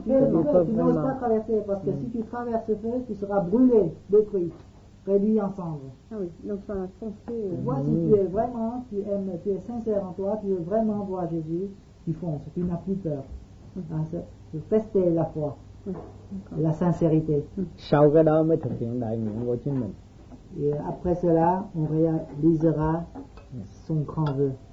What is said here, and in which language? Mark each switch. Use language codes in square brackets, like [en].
[fr] Tu n'oses pas traverser, parce que si tu traverses le feu, tu seras brûlé, détruit, réduit en cendres. Ah oui, donc ça a foncé. Vois si tu es vraiment, tu aimes, tu es sincère en toi, tu veux vraiment voir Jésus, tu fonces, tu n'as plus peur. Mm-hmm. Ah, c'est tester la foi, la sincérité. [vi] Sau cái đó mới thực hiện đại nguyện của chính mình. [fr] Et après cela, on réalisera son grand vœu.